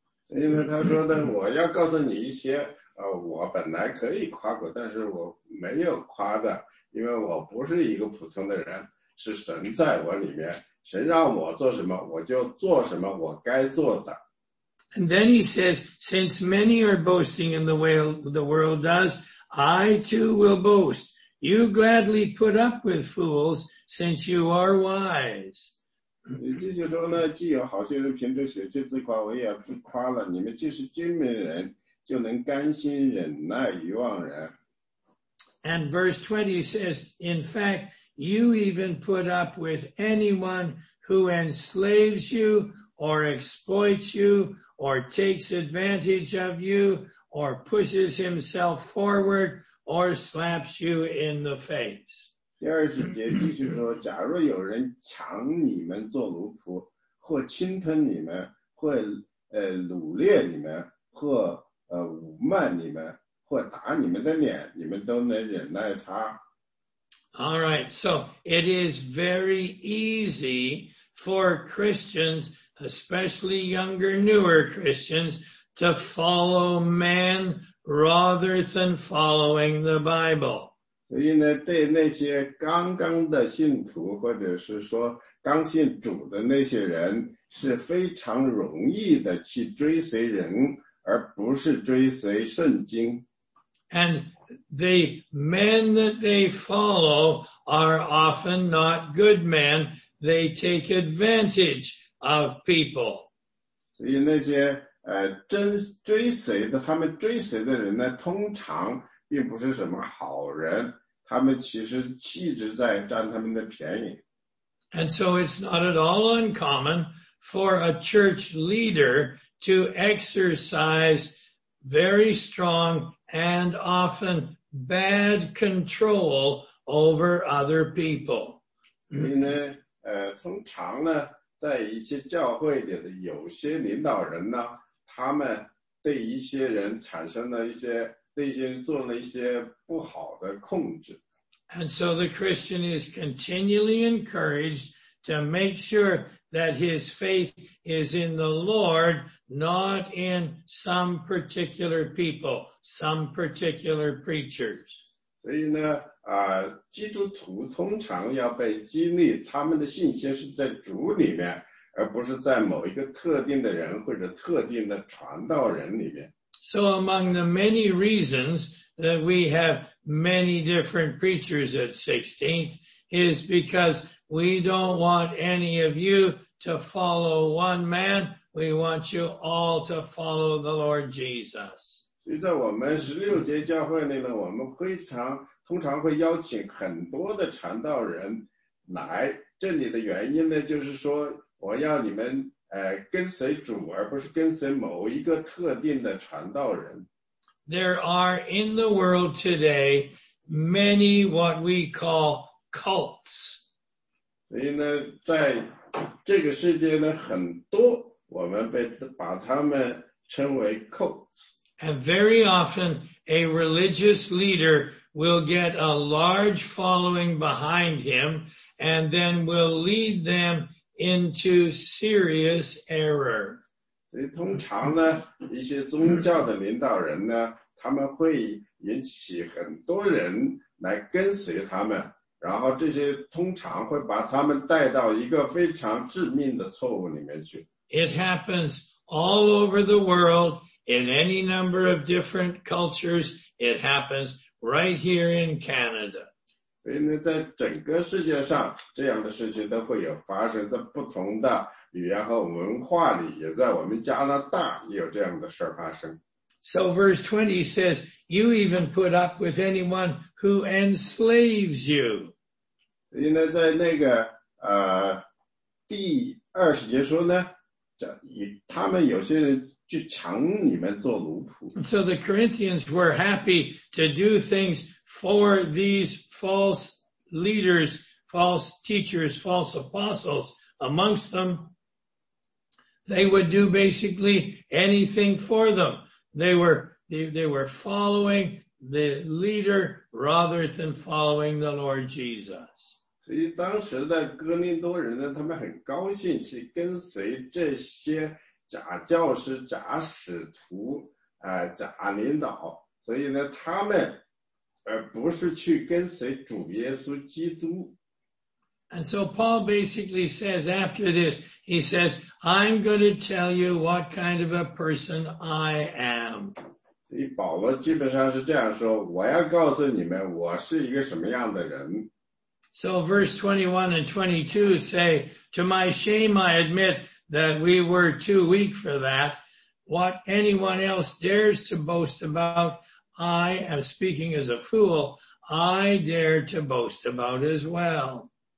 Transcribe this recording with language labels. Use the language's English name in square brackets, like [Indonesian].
[Chinese] 所以呢，他说的，我要告诉你一些，我本来可以夸口，但是我没有夸的，因为我不是一个普通的人，是神在我里面，神让我做什么，我就做什么我该做的。 [English] And then he says, since many are boasting in the way the world does, I too will boast. You gladly put up with fools since you are wise. [Chinese] 你继续说呢，既有好些人凭着血气自夸，我也自夸了。你们既是精明人，就能甘心忍耐愚妄人。 [English] And verse 20 says, in fact, you even put up with anyone who enslaves you or exploits you or takes advantage of you, or pushes himself forward, or slaps you in the face. [Chinese] 第二十节继续说，假若有人抢你们做奴仆，或侵吞你们，或掳掠你们，或侮辱你们，或打你们的脸，你们都能忍耐他。 [English] All right, so it is very easy for Christians, especially younger, newer Christians, to follow man rather than following the Bible. [Chinese] 所以呢，对那些刚刚的信徒，或者是说刚信主的那些人，是非常容易的去追随人，而不是追随圣经。 [English] And the men that they follow are often not good men. They take advantage of people. [Chinese] 所以那些真追随的，他们追随的人呢，通常并不是什么好人，他们其实一直在占他们的便宜。 [English] And so it's not at all uncommon for a church leader to exercise very strong and often bad control over other people. [Chinese] 所以呢，通常呢，在一些教会里的有些领导人呢，他们对一些人产生了一些，对一些人做了一些不好的控制。 [English] And so the Christian is continually encouraged to make sure that his faith is in the Lord, not in some particular people, some particular preachers. [Chinese] 所以呢，基督徒通常要被激励，他们的信心是在主里面，而不是在某一个特定的人或者特定的传道人里面。 [English] So among the many reasons that we have many different preachers at 16th is because we don't want any of you to follow one man. We want you all to follow the Lord Jesus. [Chinese] 所以在我们16节教会内呢，我们通常会邀请很多的传道人来。这里的原因呢，就是说我要你们跟随主，而不是跟随某一个特定的传道人。 [English] There are in the world today many what we call cults. [Chinese] 所以呢，在这个世界呢，很多我们把他们称为 cults. [English] And very often a religious leader will get a large following behind him and then will lead them into serious error. [Chinese] 所以通常呢，一些宗教的领导人呢，他们会引起很多人来跟随他们，然后这些通常会把他们带到一个非常致命的错误里面去。 [English] It happens all over the world in any number of different cultures. It happens right here in Canada. [Chinese] 所以呢，在整个世界上，这样的事情都会有发生，在不同的语言和文化里，也在我们加拿大也有这样的事发生。 [English] So verse 20 says, you even put up with anyone who enslaves you. [Chinese] 所以呢，在那个第二十节说呢，他们有些人就抢你们做奴仆。 [English] So the Corinthians were happy to do things for these false leaders, false teachers, false apostles amongst them. They would do basically anything for them. They were following the leader rather than following the Lord Jesus. [Chinese] 所以当时的哥林多人呢，他们很高兴去跟随这些假教师、假使徒、假领导。所以呢，他们不是去跟随主耶稣基督。 [English] And so Paul basically says after this, he says, I'm going to tell you what kind of a person I am. [Chinese] 所以保罗基本上是这样说，我要告诉你们我是一个什么样的人。 [English] So verse 21 and 22 say, to my shame I admit that we were too weak for that. What anyone else dares to boast about, I am speaking as a fool, I dare to boast about as well.